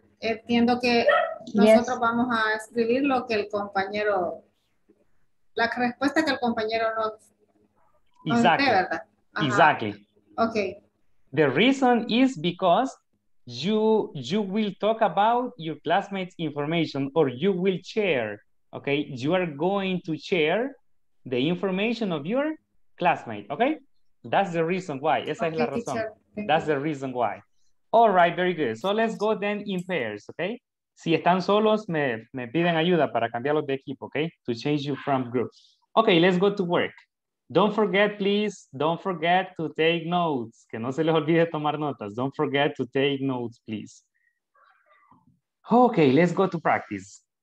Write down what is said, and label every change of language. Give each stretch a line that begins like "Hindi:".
Spanish: Entiendo que nosotros vamos a escribir lo que el compañero, la respuesta que el compañero nos
English: exactly.
Spanish: ¿Verdad?
English: Exactly. Okay. The reason is because you will talk about your classmates' information, or you will share, okay? You are going to share the information of your classmate, okay? That's the reason why.
Spanish: Esa es la razón.
English: That's the reason why. All right, very good. So let's go then in pairs, okay?
Spanish: Si están solos, me piden ayuda para cambiarlos de equipo, okay?
English: To change you from groups. Okay, let's go to work. Don't forget, please, don't forget to take notes.
Spanish: Que no se les olvide tomar notas.
English: Don't forget to take notes, please.
Spanish: Okay, let's go to practice.